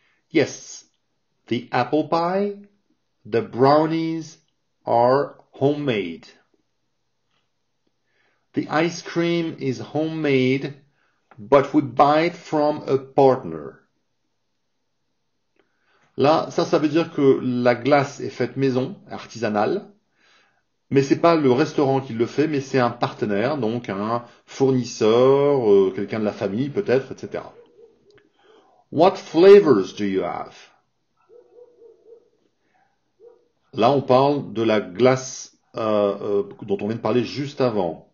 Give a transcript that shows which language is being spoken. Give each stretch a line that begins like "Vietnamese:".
English: Yes, the apple pie, the brownies are homemade. The ice cream is homemade, but we buy it from a partner.
French: Là, ça veut dire que la glace est faite maison, artisanale, mais c'est pas le restaurant qui le fait, mais c'est un partenaire, donc un fournisseur, quelqu'un de la famille peut-être, etc.
English: What flavors do you have?
French: Là, on parle de la glace dont on vient de parler juste avant.